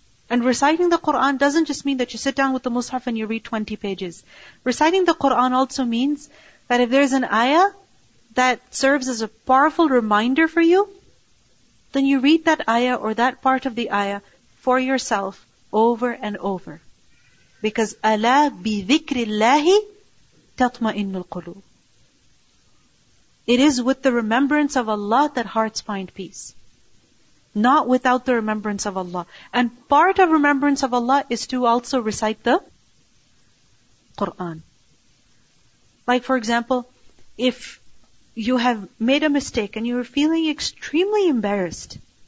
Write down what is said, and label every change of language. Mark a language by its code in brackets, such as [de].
[en] And reciting the Qur'an doesn't just mean that you sit down with the Mus'haf and you read 20 pages. Reciting the Qur'an also means that if there's an ayah that serves as a powerful reminder for you, then you read that ayah or that part of the ayah for yourself over and over. [ar] Because أَلَا بِذِكْرِ اللَّهِ تَطْمَئِنُّ الْقُلُوبِ. [en] It is with the remembrance of Allah that hearts find peace. Not without the remembrance of Allah. And part of remembrance of Allah is to also recite the Qur'an. Like for example, if you have made a mistake and you are feeling extremely embarrassed.